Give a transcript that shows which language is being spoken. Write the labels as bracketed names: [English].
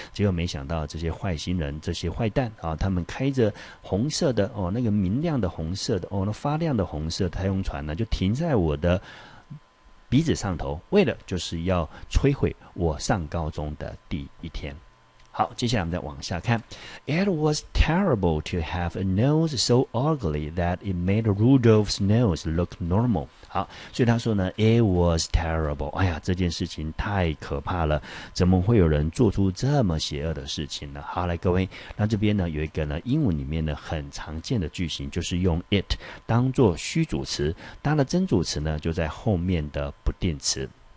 [Chinese] 结果没想到这些坏心人，这些坏蛋啊，他们开着红色的哦，那个明亮的红色的哦，那发亮的红色太空船呢就停在我的鼻子上头，为了就是要摧毁我上高中的第一天。好，接下来我们再往下看。 [English] It was terrible to have a nose so ugly that it made Rudolph's nose look normal. [Chinese] 好，所以他说呢 [English] It was terrible， [Chinese] 哎呀，这件事情太可怕了，怎么会有人做出这么邪恶的事情呢？好，来各位，那这边呢有一个呢英文里面呢很常见的句型，就是用 it 当作虚主词，它的真主词呢就在后面的不定词。